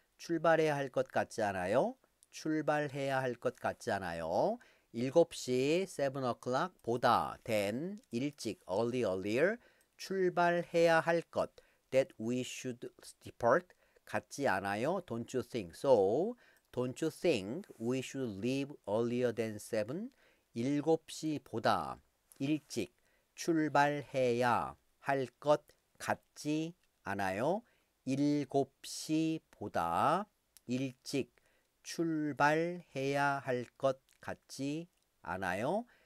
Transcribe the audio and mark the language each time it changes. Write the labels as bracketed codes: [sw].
[ko] 출발해야 할것 같지 않아요? 출발해야 할것 같지 않아요? 7시, 7 o'clock 보다 than 일찍 earlier 출발해야 할 것, [en] that we should depart [ko] 같지 않아요? [en] Don't you think so? Don't you think we should leave earlier than 7? [ko] 7시보다 일찍 출발해야 할것 같지 않아요? 7시보다 일찍 출발해야 할것 같지 않아요?